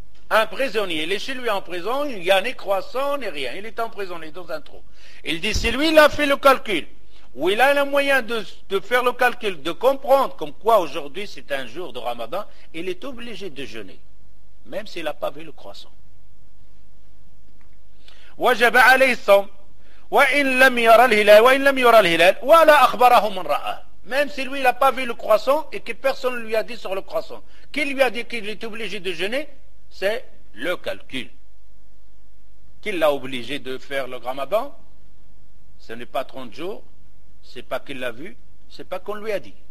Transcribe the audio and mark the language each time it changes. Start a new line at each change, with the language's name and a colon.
French: Un prisonnier, il est chez lui en prison, il n'y a ni croissant, ni rien. Il est en prison, il est dans un trou. Il dit, c'est lui, il a fait le calcul. Ou il a le moyen de faire le calcul, de comprendre comme quoi aujourd'hui c'est un jour de Ramadan, il est obligé de jeûner, même s'il n'a pas vu le croissant.
Arabic: وجب عليه الصوم وإن لم يرى الهلال وإن لم يرى الهلال ولا أخبره من رأى.
French: Même si lui, il n'a pas vu le croissant et que personne ne lui a dit sur le croissant. Qui lui a dit qu'il est obligé de jeûner? C'est le calcul. Qui l'a obligé de faire le ramadan? Ce n'est pas 30 jours, ce n'est pas qu'il l'a vu, ce n'est pas qu'on lui a dit.